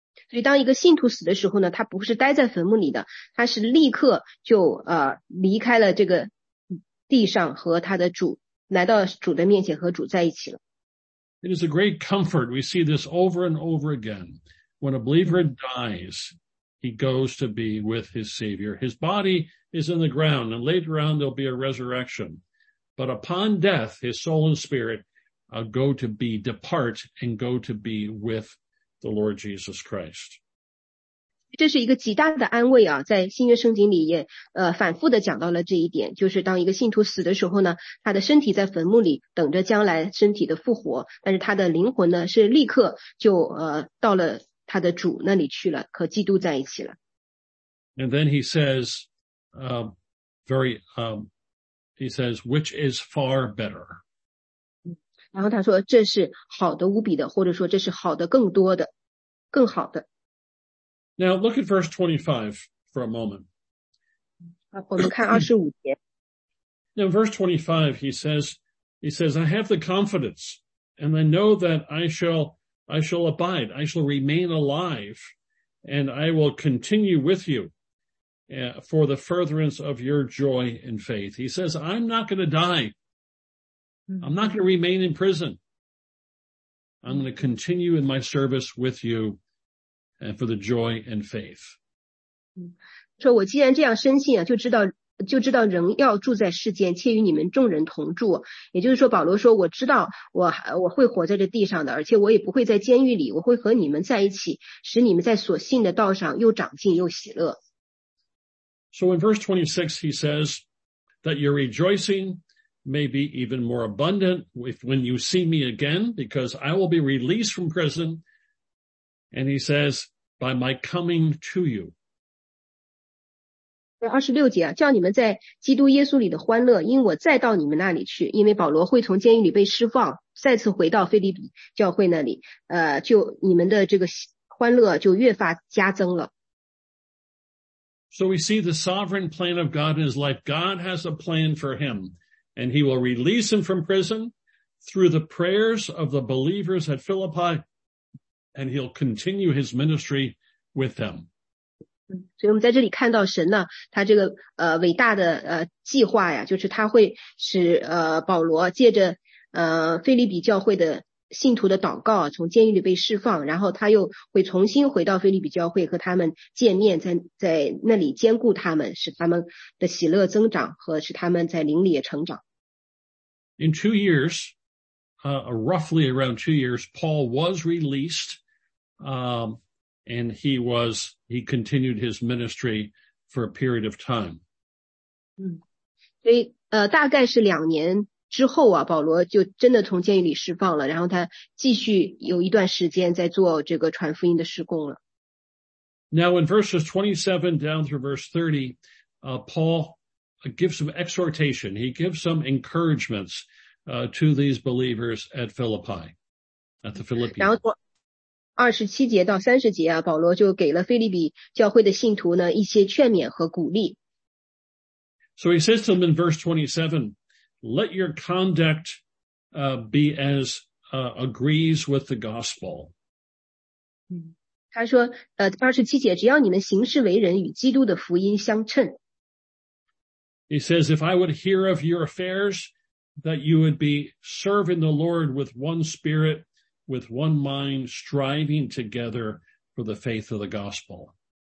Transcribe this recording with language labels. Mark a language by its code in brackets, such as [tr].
[zh] 所以当一个信徒死的时候呢，他不是待在坟墓里的，他是立刻就离开了这个地上和他的主，来到主的面前和主在一起了。 [en] It is a great comfort. We see this over and over again. When a believer dies, he goes to be with his Savior. His body is in the ground, and later on there'll be a resurrection. But upon death, his soul and spirit go to be, depart, and go to be with the Lord Jesus Christ. [zh] 这是一个极大的安慰啊，在新约圣经里也反复的讲到了这一点，就是当一个信徒死的时候呢，他的身体在坟墓里等着将来身体的复活，但是他的灵魂呢是立刻就到了他的主那里去了，和基督在一起了。 [en] And then he says, he says, which is far better. [zh] 然后他说这是好的无比的，或者说这是好的更多的，更好的。 [en] Now, look at verse 25 for a moment. [zh] 我们看25节。 [en] Now, verse 25, he says, I have the confidence and I know that I shall abide. I shall remain alive and I will continue with you for the furtherance of your joy and faith. He says, I'm not going to die. I'm not going to remain in prison. I'm going to continue in my service with you. And for the joy and faith. [zh] 说我既然这样深信啊，就知道仍要住在世间，且与你们众人同住。也就是说，保罗说，我知道我会活在这地上的，而且我也不会在监狱里，我会和你们在一起，使你们在所信的道上又长进又喜乐。 [en] So in verse 26, he says that your rejoicing may be even more abundant when you see me again, because I will be released from prison. And he says, by my coming to you. [zh] 26节啊，叫你们在基督耶稣里的欢乐，因我再到你们那里去，因为保罗会从监狱里被释放，再次回到腓立比教会那里，就你们的这个欢乐就越发加增了。 [en] So we see the sovereign plan of God in his life. God has a plan for him, and he will release him from prison through the prayers of the believers at Philippi, and he'll continue his ministry with them. [zh] 所以我们在这里看到神呢，他这个伟大的计划呀，就是他会使保罗借着腓立比教会的信徒的祷告，从监狱里被释放，然后他又会重新回到腓立比教会和他们见面，在那里坚固他们，使他们的喜乐增长和使他们在灵里也成长。 [en] In 2 years, roughly around 2 years, Paul was released, and he continued his ministry for a period of time. [zh] 所以大概是两年之后啊，保罗就真的从监狱里释放了，然后他继续有一段时间在做这个传福音的事工了。 [en] Now in verses 27 down through verse 30, Paul gives some exhortation. He gives some encouragements. To these believers at Philippi, at the Philippians. [zh] 然后27节到30节啊，保罗就给了腓立比教会的信徒呢一些劝勉和鼓励。 [en] So he says to them in verse 27, let your conduct, be as, agrees with the gospel. [zh] 他说27节，只要你们行事为人与基督的福音相称。 [en] He says, if I would hear of your affairs,that you would be serving the Lord with one spirit, with one mind, striving together for the faith of the gospel.